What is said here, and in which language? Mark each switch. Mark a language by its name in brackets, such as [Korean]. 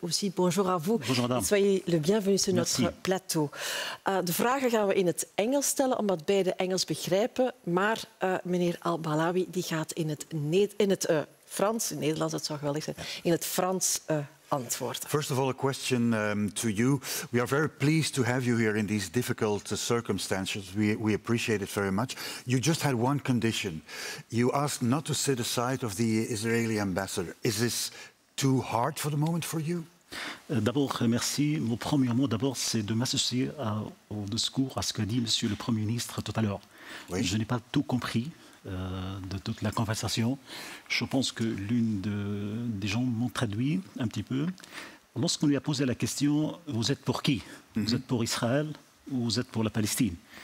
[French] Aussi, bonjour à vous. Bonjour, madame. Soyez le bienvenu sur notre plateau. [Dutch] De vragen gaan we in het Engels stellen, omdat beide Engels begrijpen. Maar meneer Albalawi die gaat in het, Frans, in Nederlands, dat zou geweldig zijn, in het Frans antwoorden. [English] First of all, a question to you. We are very pleased to have you here in these difficult circumstances. We appreciate it very much. You just had one condition. You asked not to sit aside of the Israeli ambassador. Is this too hard for the moment for you? [French] D'abord, merci. Mon premier mot, d'abord, c'est de m'associer au discours, à ce qu'a dit Monsieur le Premier ministre tout à l'heure. Oui. Je n'ai pas tout compris de toute la conversation. Je pense que l'une des gens m'ont traduit un petit peu. Lorsqu'on lui a posé la question, vous êtes pour qui? Mm-hmm. Vous êtes pour Israël ou vous êtes pour la Palestine?